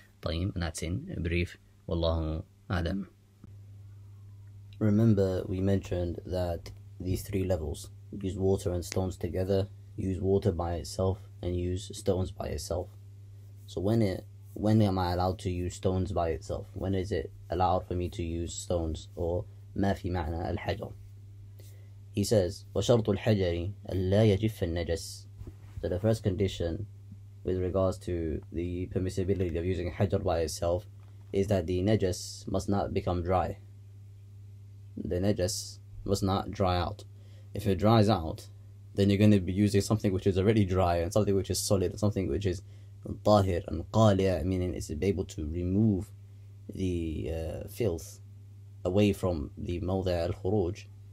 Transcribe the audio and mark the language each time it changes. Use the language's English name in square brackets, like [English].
[English] طيب, and that's in brief. Wallahu adam. Remember, we mentioned that these three levels, use water and stones together, use water by itself, and use stones by itself. So when am I allowed to use stones by itself? When is it allowed for me to use stones, or ما في معنى الحجر? He says, [Arabic] وشرط الحجر ألا يجف النجس. [English] So the first condition with regards to the permissibility of using hajar by itself is that the najas must not become dry. The najas must not dry out. If it dries out, then you're going to be using something which is already dry, and something which is solid, and something which is tahir and qali', meaning it's able to remove the filth away from the mawdi' al-khuruj.